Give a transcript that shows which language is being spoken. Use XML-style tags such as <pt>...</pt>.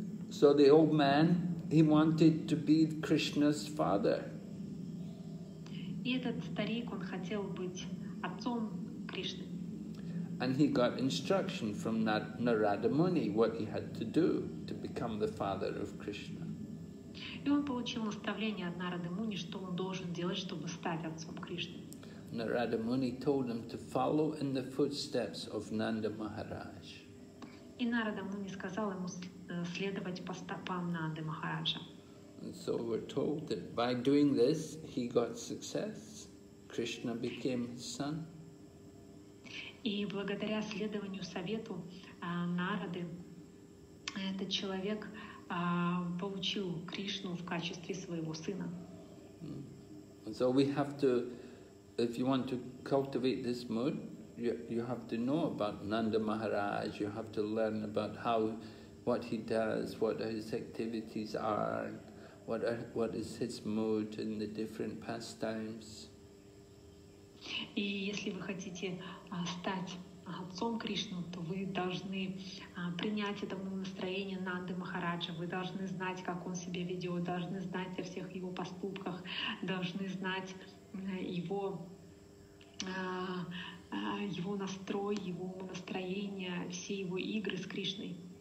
<en>So the old man, he wanted to be Krishna's father.</en> <ru>И этот старик, он хотел быть отцом Кришны.</ru> <en>And he got instruction from Narada Muni what he had to do to become the father of Krishna.</en> <ru>И он получил наставление от Нарады Муни, что он должен делать, чтобы стать отцом Кришны.</ru> <en>Narada Muni told him to follow in the footsteps of Nanda Maharaj.</en> <ru>И Нарада Муни сказал ему следовать по стопам Нанды Махараджа.</ru> <en>And so we're told that by doing this, he got success. Krishna became his son.</en> <ru>И благодаря следованию совету Нарады, этот человек получил Кришну в качестве своего сына.</ru> <en>So we have to, if you want to cultivate this mood, you have to know about Nanda Maharaj, you have to learn about what he does, what his activities are, what is his mood in the different pastimes.</en> <ru>И если вы хотите стать отцом Кришны, то вы должны принять это настроение Нанды Махараджа. Вы должны знать, как он себя ведет, должны знать о всех его поступках, должны знать его настрой, его настроение, все его игры с Кришной.</ru>